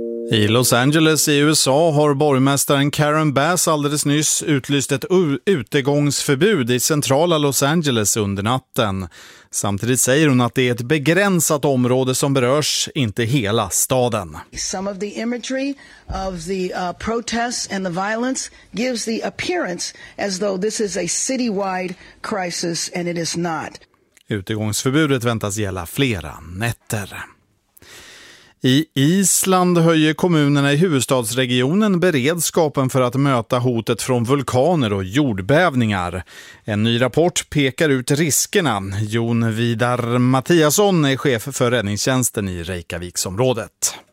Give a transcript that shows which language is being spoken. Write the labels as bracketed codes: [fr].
[sv] I Los Angeles i USA har borgmästaren Karen Bass alldeles nyss utlyst ett utegångsförbud i centrala Los Angeles under natten. Samtidigt säger hon att det är ett begränsat område som berörs, inte hela staden. [en] Some of the imagery of the protests and the violence gives the appearance as though this is a citywide crisis and it is not. [sv] Utegångsförbudet väntas gälla flera nätter. I Island höjer kommunerna i huvudstadsregionen beredskapen för att möta hotet från vulkaner och jordbävningar. En ny rapport pekar ut riskerna. Jon Vidar Mattiasson är chef för räddningstjänsten i Reykjaviksområdet.